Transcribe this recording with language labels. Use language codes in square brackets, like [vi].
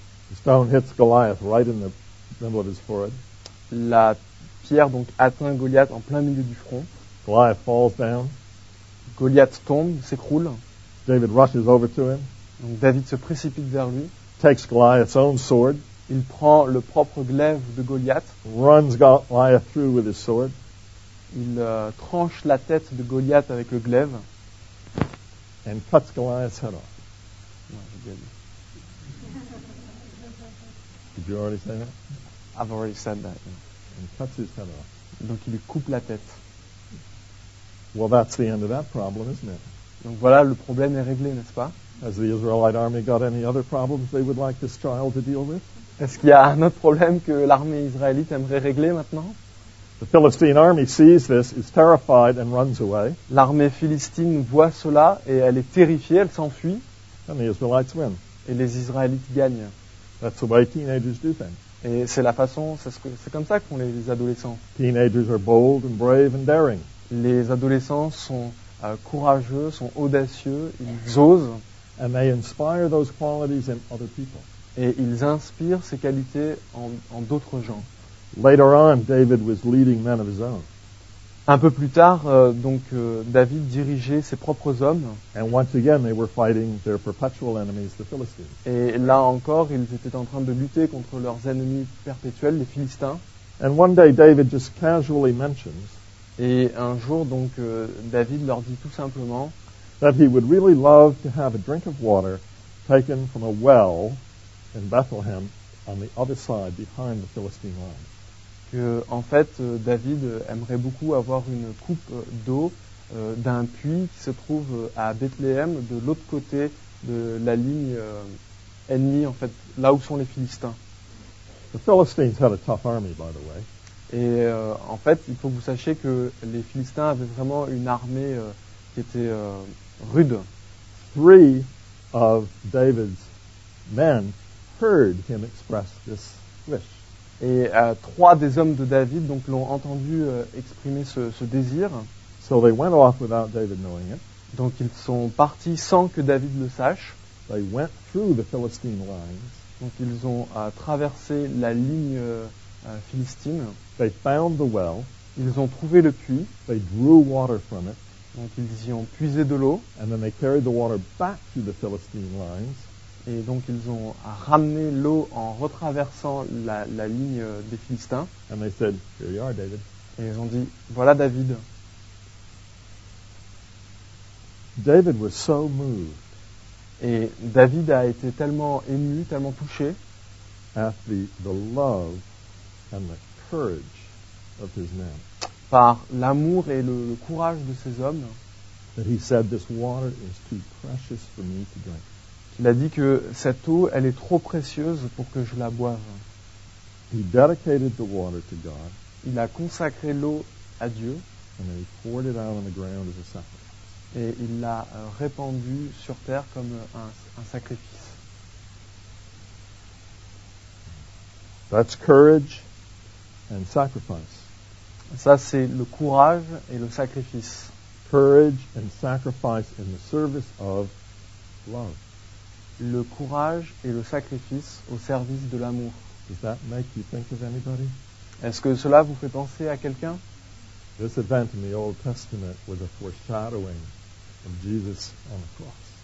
[en] The stone hits Goliath right in the middle of his forehead. [fr] La pierre donc atteint Goliath en plein milieu du front. [en] Goliath falls down. [fr] Goliath tombe, s'écroule. [en] David rushes over to him. [fr] Donc David se précipite vers lui. [en] Takes Goliath's own sword. [fr] Il prend le propre glaive de Goliath. [en] Runs Goliath through with his sword. [fr] Il tranche la tête de Goliath avec le glaive. [en] And cuts Goliath's head off. Did you already say that? I've already said that. Yeah. And cuts his head off. [fr] Donc il lui coupe la tête. [en] Well, that's the end of that problem, isn't it? [fr] Donc voilà, le problème est réglé, n'est-ce pas? [en] Has the Israelite army got any other problems they would like this trial to deal with? [fr] Est-ce qu'il y a un autre problème que l'armée israélite aimerait régler maintenant? [en] The Philistine army sees this, is terrified, and runs away. [fr] L'armée philistine voit cela et elle est terrifiée, elle s'enfuit. [en] And the Israelites win. [fr] Et les Israélites gagnent. [en] That's the way teenagers do things. [fr] Et c'est la façon, c'est comme ça qu'on les adolescents. [en] Teenagers are bold and brave and daring. [fr] Les adolescents sont courageux, sont audacieux, ils osent. [en] And they inspire those qualities in other people. [fr] Et ils inspirent ces qualités en d'autres gens. [en] Later on, David was leading men of his own. [fr] Un peu plus tard, David dirigeait ses propres hommes. [en] And once again, they were fighting their perpetual enemies, the Philistines. [fr] Et là encore, ils étaient en train de lutter contre leurs ennemis perpétuels, les Philistins. [en] And one day, David just casually mentions. [fr] Et un jour, donc, David leur dit tout simplement. [en] That he would really love to have a drink of water taken from a well in Bethlehem on the other side behind the Philistine line. [fr] Que en fait David aimerait beaucoup avoir une coupe d'eau d'un puits qui se trouve à Bethléem de l'autre côté de la ligne ennemie en fait là où sont les Philistins. [en] The Philistines had a tough army, by the way. [fr] Et en fait, il faut que vous sachiez que les Philistins avaient vraiment une armée qui était rude. [en] Three of David's men heard him express this wish. [fr] Et trois des hommes de David donc l'ont entendu exprimer ce désir. [en] So they went off without David knowing it. [fr] Donc ils sont partis sans que David le sache. [en] They went through the Philistine lines. [fr] Donc ils ont traversé la ligne philistine. [en] They found the well. [fr] Ils ont trouvé le puits. [en] They drew water from it. [fr] Donc ils y ont puisé de l'eau. [en] And then they carried the water back to the Philistine lines. [fr] Et donc ils ont ramené l'eau en retraversant la ligne des Philistins. [en] And they said, Here you are, David. [fr] Et ils ont dit, voilà David. [en] David was so moved. [fr] Et David a été tellement ému, tellement touché. [en] At the love and the courage of his men. [fr] Par l'amour et le courage de ces hommes. [en] That he said, This water is too precious for me to drink. [fr] Il a dit que cette eau, elle est trop précieuse pour que je la boive. [en] He dedicated the water to God. [fr] Il a consacré l'eau à Dieu. [en] And he poured it out on the ground as a sacrifice. [fr] Et il l'a répandue sur terre comme un sacrifice. [en] That's courage and sacrifice. [fr] Ça, c'est le courage et le sacrifice. [en] Courage and sacrifice in the service of love. [fr] Le courage et le sacrifice au service de l'amour. [en] Does that make you think of anybody? [fr] Est-ce que cela vous fait penser à quelqu'un? [en] This event in the Old Testament was a foreshadowing of Jesus on the cross.